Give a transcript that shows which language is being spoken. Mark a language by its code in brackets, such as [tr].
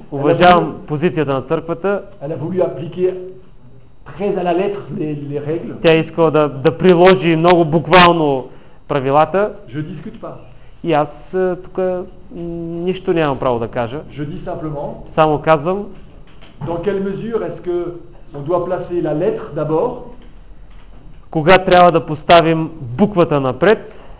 [bg] Уважавам позицията на църквата. [fr] Elle a voulu appliquer très à la lettre les règles. [bg] Тя искала да приложи много буквално правилата. [fr] Je discute pas. [bg] И аз тук нищо нямам право да кажа. [fr] Je dis simplement. [bg] Само казвам. [fr] Dans quelle mesure est-ce que on doit placer la lettre d'abord? [bg] Кога трябва да поставим буквата напред?